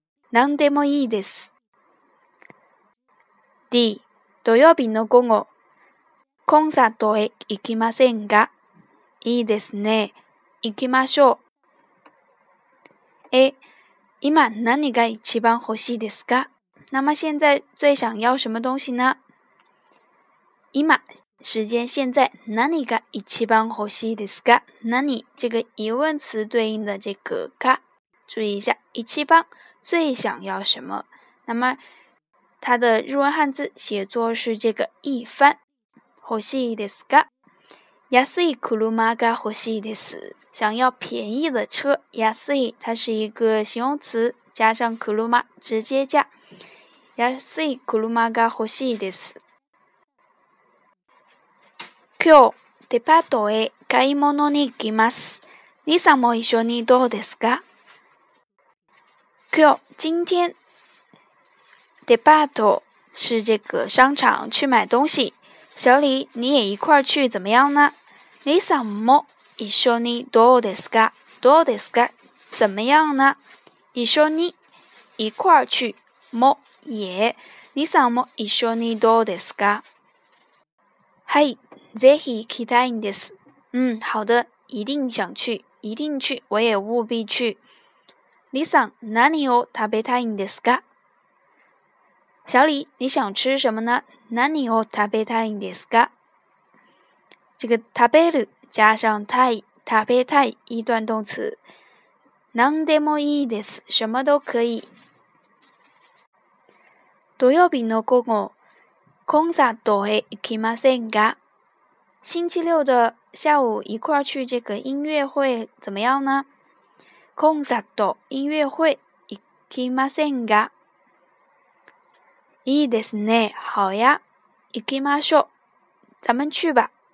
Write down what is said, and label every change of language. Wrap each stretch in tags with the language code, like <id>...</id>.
<ja>何でもいいです。 D、土曜日の午後、コンサートへ行きませんか？いいですね。行きましょう。A、今何が一番欲しいですか？</ja> <zh>那么现在最想要什么东西呢？</zh> <ja>今</ja> <zh>时间现在</zh> <ja>何が一番欲しいですか？</ja> <zh>何这个疑问词对应的这个か，注意一下，一番最想要什么？那么它的日文汉字写作是这个</zh> <ja>一番欲しいですか？安い車が欲しいです。</ja> <zh>想要便宜的车，安い它是一个形容词，加上車直接加。</zh> <ja>安い車が欲しいです。今日、デパートへ買い物に行きます。リサも一緒にどうですか？</ja> <zh>今日、今天、デパート是这个商场去买东西。小李、你也一块去怎么样呢？</zh> <ja>リサも一緒にどうですか？どうですか？</ja> <zh>怎么样呢？</zh> <ja>一緒に、一块去、も、也、你さんも一緒にどうですか？はい、ぜひ行きたいんです。</ja> <zh>好的、一定想去、一定去、我也务必去。</zh> <ja>你さん、何を食べたいんですか？</ja> <zh>小李、你想吃什么呢？</zh> <ja>何を食べたいんですか？</ja> <zh>这个食べる加上たい、食べたい、一段动词。</zh> <ja>何でもいいです、</ja> <zh>什么都可以。</zh> <ja>土曜日の午後、コンサートへ行きませんか？</ja> <zh>星期六的下午一块去这个音乐会怎么样呢？</zh> <ja>コンサート、音乐会、行きませんか？いいですね、</ja> <zh>好呀、</zh> <ja>行きましょう、</ja> <zh>咱们去吧。</zh>